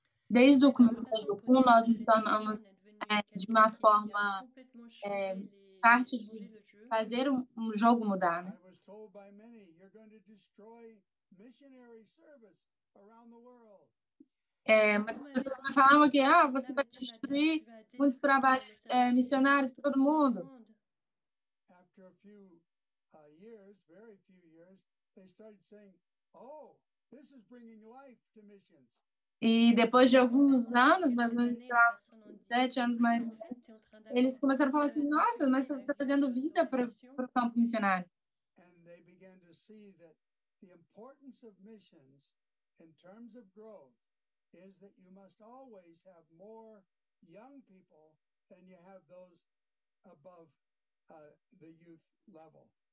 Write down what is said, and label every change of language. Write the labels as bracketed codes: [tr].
[pt] Desde o começo do Jokun, nós nos tornamos de uma forma parte de fazer um jogo mudar. [en] I was told by many, you're going to destroy missionary service around the world. [pt] Muitas pessoas me falavam que você vai destruir muitos trabalhos missionários para todo mundo. [en] After a few years, very few years, they started saying, oh, this is bringing life to missions. [pt] E depois de alguns anos, mais ou menos 7 anos mais, eles começaram a falar assim, nossa, mas está trazendo vida para o campo missionário. E eles começaram a ver que a importância das missões, em termos de crescimento, é que você sempre tem que ter mais jovens do que você tem aqueles [en] above the youth level.